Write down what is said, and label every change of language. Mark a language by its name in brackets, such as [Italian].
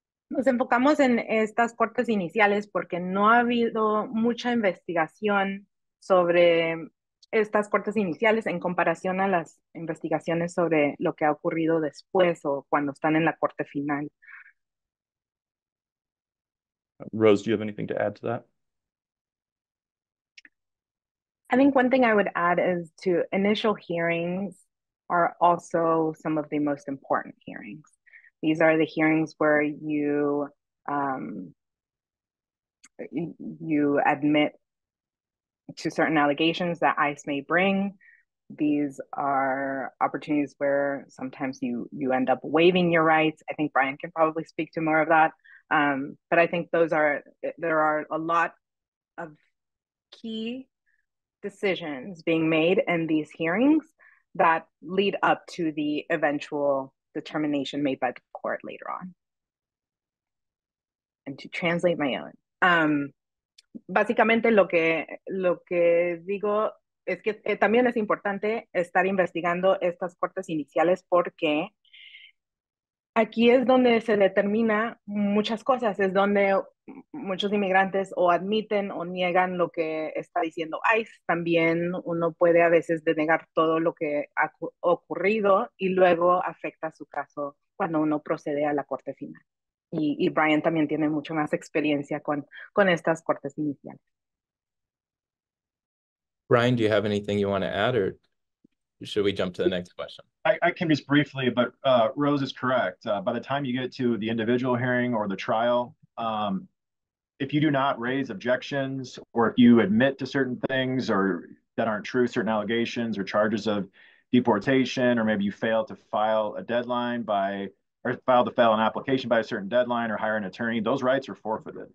[Spanish] Nos enfocamos en estas cortes iniciales porque no ha habido mucha investigación sobre estas cortes iniciales en comparación a las investigaciones sobre lo que ha ocurrido después o cuando están en la corte final. [English] Rose, do you have anything to add to that? I think one thing I would add is to initial hearings are also some of the most important hearings. These are the hearings where you you admit to certain allegations that ICE may bring. These are opportunities where sometimes you end up waiving your rights. I think Brian can probably speak to more of that. But I think there are a lot of key decisions being made in these hearings that lead up to the eventual determination made by the court later on. And to translate my own. [Spanish] Básicamente lo que digo es que también es importante estar investigando estas cortes iniciales porque aquí es donde se determina muchas cosas, es donde muchos inmigrantes o admiten o niegan lo que está diciendo ICE. También uno puede a veces denegar todo lo que ha ocurrido y luego afecta su caso cuando uno procede a la corte final. Y Brian también tiene mucho más experiencia con estas cortes iniciales. [English] Brian, do you have anything you want to add, or should we jump to the next question? I can just briefly, but Rose is correct. By the time you get to the individual hearing or the trial, if you do not raise objections, or if you admit to certain things or that aren't true, certain allegations or charges of deportation, or maybe you fail to file a deadline by, or file to file an application by a certain deadline or hire an attorney, those rights are forfeited.